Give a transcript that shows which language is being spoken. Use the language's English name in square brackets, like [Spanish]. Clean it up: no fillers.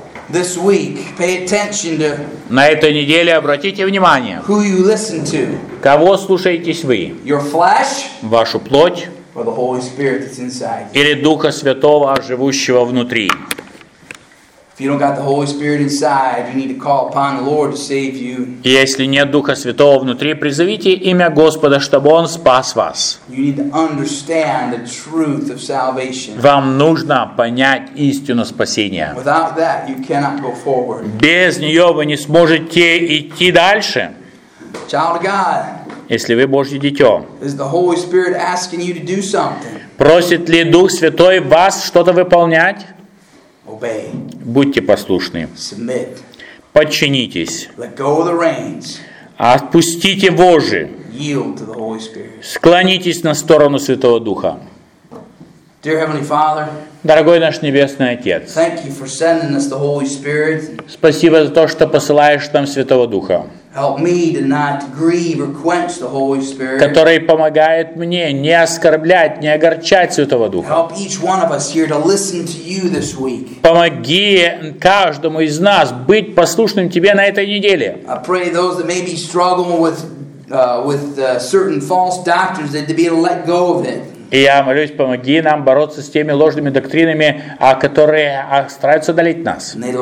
[English] This week, pay attention to. [Russian] На этой неделе обратите внимание. [English] Who you listen to? [Russian] Кого слушаетесь вы? [English] Your flesh? [Russian] Вашу плоть? [English] Or the Holy Spirit that's inside? [Russian] Или Духа Святого, живущего внутри? [English] If you don't got the Holy Spirit inside, you need to call upon the Lord to save you. [Russian] Если нет Духа Святого внутри, призовите имя Господа, чтобы Он спас вас. [English] You need to understand the truth of salvation. [Russian] Вам нужно понять истину спасения. [English] Without that, you cannot go forward. [Russian] Без нее вы не сможете идти дальше. [English] Child of God. [Russian] Если вы Божье дитё. [English] Is the Holy Spirit asking you to do something? [Russian] Просит ли Дух Святой вас что-то выполнять? [English] Obey. [Russian] Будьте послушны. [English] Submit. [Russian] Подчинитесь. [English] Let go of the reins. [Russian] Отпустите вожжи. [English] Yield to the Holy Spirit. [Russian] Склонитесь на сторону Святого Духа. [English] Dear Heavenly Father, [Russian] дорогой наш Небесный Отец, [English] thank you for sending us the Holy Spirit. [Russian] Спасибо за то, что посылаешь нам Святого Духа. [English] Help me to not grieve or quench the Holy Spirit. [Russian] Который помогает мне не оскорблять, не огорчать Святого Духа. [English] Help each one of us here to listen to you this week. [Russian] Помоги каждому из нас быть послушным Тебе на этой неделе. [English] I pray those that may be struggling with certain false doctrines that to be able to let go of it. [Russian] И я молюсь, помоги нам бороться с теми ложными доктринами, которые стараются удалить нас.